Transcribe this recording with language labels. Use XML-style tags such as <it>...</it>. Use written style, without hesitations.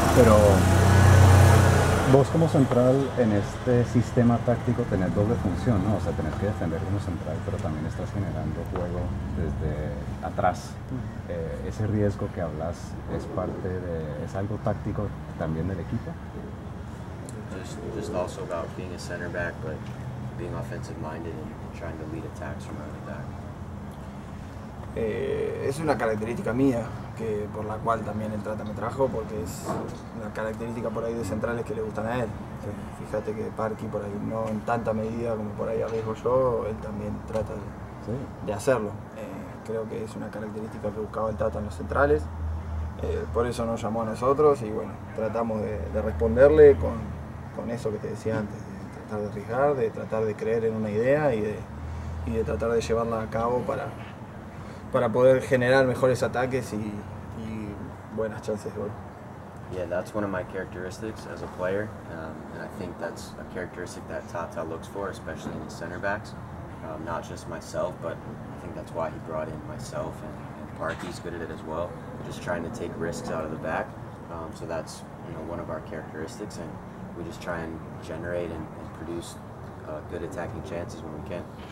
<es>pero vos como central en este sistema táctico tenés doble función, ¿no? O sea, tenés que defender como central, pero también estás generando juego desde atrás. Ese riesgo que hablas es algo táctico también del equipo.</es> <en>Just also about being a center back, but being offensive minded and trying to lead attacks from out of the back.</en> <es>Es una característica mía que por la cual también el Tata me trajo, porque es una característica por ahí de centrales que le gustan a él. Fíjate que Parky por ahí no en tanta medida como por ahí arriesgo yo, él también trata de hacerlo. Creo que es una característica que buscaba el Tata en los centrales. Por eso nos llamó a nosotros y bueno, tratamos de responderle con eso que te decía antes, de tratar de arriesgar, de tratar de creer en una idea y de tratar de llevarla a cabo para poder generar mejores ataques y buenas chances de gol.</es> <en>Yeah, that's one of my characteristics as a player, and I think that's a characteristic that Tata looks for, especially in the center backs. Not just myself, but I think that's why he brought in myself and Parky's good at it as well. Just trying to take risks out of the back, so that's one of our characteristics, and we just try and generate and produce good attacking chances when we can.</en>